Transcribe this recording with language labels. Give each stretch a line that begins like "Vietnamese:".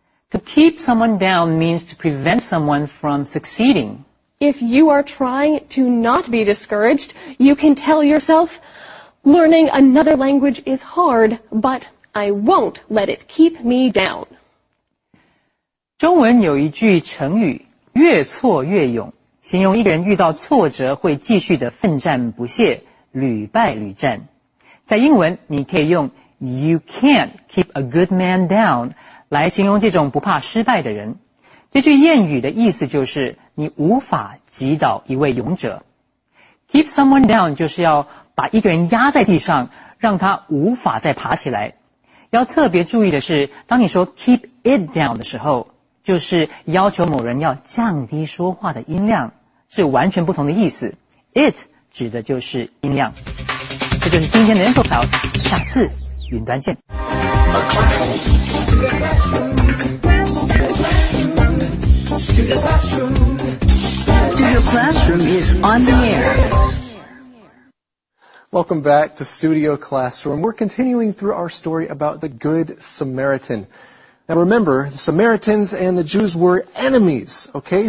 English: To keep someone down means to prevent someone from succeeding. If you are trying to not be discouraged, you can tell yourself, learning another language is hard, but I won't let it keep me down.
Chinese: 中文有一句成语，越挫越勇，形容一个人遇到挫折会继续的奋战不懈，屡败屡战。在英文，你可以用
English: you can't keep a good man down
Chinese: 来形容这种不怕失败的人。这句谚语的意思就是你无法击倒一位勇者。
English: Keep someone down
Chinese: 就是要把一个人压在地上，让他无法再爬起来。要特别注意的是，当你说
English: keep it down
Chinese: 的时候，就是要求某人要降低说话的音量，是完全不同的意思。 It 指的就是音量。这就是今天的 Info Cloud， 下次云端见。
English: Studio Classroom is on the air. Welcome back to Studio Classroom. We're continuing through our story about the Good Samaritan. Now remember, the Samaritans and the Jews were enemies, okay?